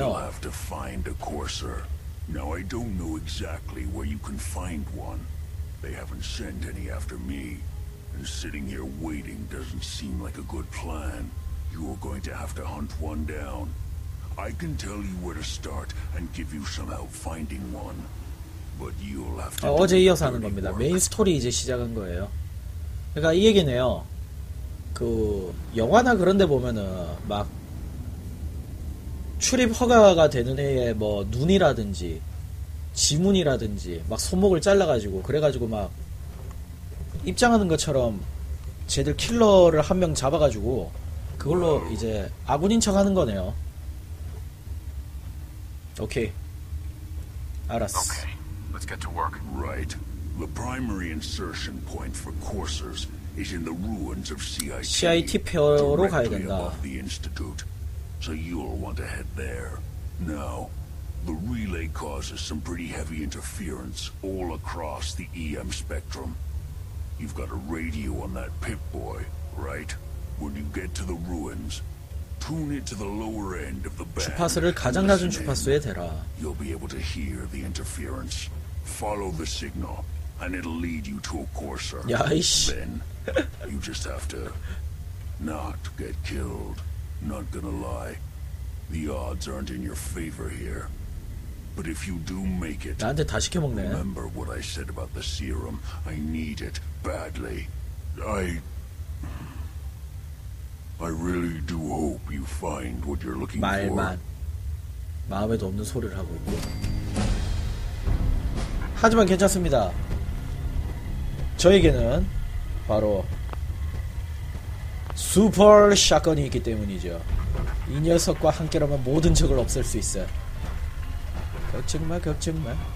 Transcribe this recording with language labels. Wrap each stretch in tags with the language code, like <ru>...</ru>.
<en>You'll have to find a courser. Now I don't know exactly where you can find one. They haven't sent any after me. And sitting here waiting doesn't seem like a good plan. You're going to have to hunt one down. I can tell you where to start and give you some help finding one. But you'll have to</en> <ko>어제 이어서 하는 겁니다. 메인 스토리 이제 시작한 거예요. 그러니까 이 얘기네요. 그 영화나 그런 데 보면은 막 출입 허가가 되는 애의 뭐 눈이라든지 지문이라든지 막 손목을 잘라가지고 그래가지고 막 입장하는 것처럼 쟤들 킬러를 한 명 잡아가지고 그걸로 이제 아군인 척 하는 거네요. 오케이. 알았어.</ko> <en>Okay. Let's get to work. Right. The primary insertion point for coursers is in the ruins of</en> <ko>CIT 페어로 가야 된다.</ko> <en>So you'll want to head there. Now, the relay causes some pretty heavy interference all across the EM spectrum. You've got a radio on that Pip-Boy, right? When you get to the ruins, tune it to the lower end of the band.</en> <ko>주파수를 가장 낮은 주파수에 대라.</ko> <en>You'll be able to hear the interference. Follow the signal, and it'll lead you to a courser.</en> <ko>야, 이씨.</ko> <en>Then, you just have to not get killed. Not gonna lie, the odds aren't in your favor here. But if you do make it,</en> <ko>나한테 다 시켜먹네.</ko> <en>Remember what I said about the serum. I need it badly. I really do hope you find what you're looking</en> <ko>말만.</ko> <en>for.</en> <ko>말만. 마음에도 없는 소리를 하고 있고. 하지만 괜찮습니다. 저에게는 바로 슈퍼 샷건이 있기 때문이죠. 이 녀석과 함께라면 모든 적을 없앨 수 있어요. 걱정 마, 걱정 마.</ko>